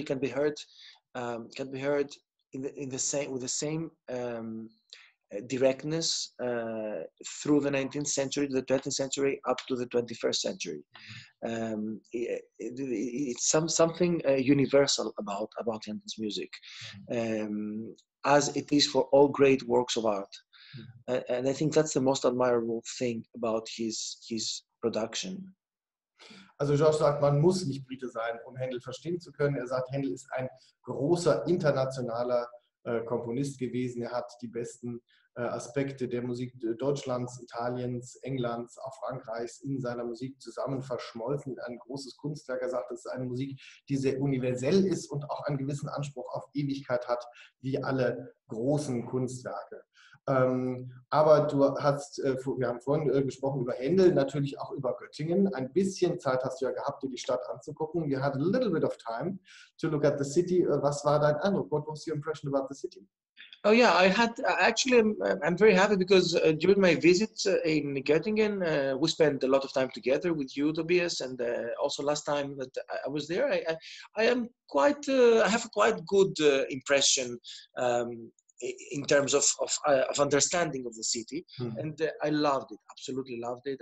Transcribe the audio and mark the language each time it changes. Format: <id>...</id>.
<en>It can be heard in the same directness through the 19th century, the 20th century, up to the 21st century. It's something universal about Handel's music, as it is for all great works of art. Mm-hmm. And I think that's the most admirable thing about his production.</en> <de>Also Georges sagt, man muss nicht Brite sein, um Handel verstehen zu können. Er sagt, Handel ist ein großer internationaler Komponist gewesen. Er hat die besten Aspekte der Musik Deutschlands, Italiens, Englands, auch Frankreichs in seiner Musik zusammen verschmolzen. Ein großes Kunstwerk. Er sagt, es ist eine Musik, die sehr universell ist und auch einen gewissen Anspruch auf Ewigkeit hat, wie alle großen Kunstwerke. Aber du hast, wir haben vorhin gesprochen über Händel, natürlich auch über Göttingen. Ein bisschen Zeit hast du ja gehabt, dir die Stadt anzugucken.</de> <en>You had a little bit of time to look at the city.</en> <de>Was war dein Eindruck?</de> <en>What was your impression about the city? Oh yeah, I had actually. I'm very happy because during my visit in Göttingen, we spent a lot of time together with you, Tobias, and also last time that I was there, I have a quite good impression in terms of understanding of the city, and I loved it, absolutely loved it.</en>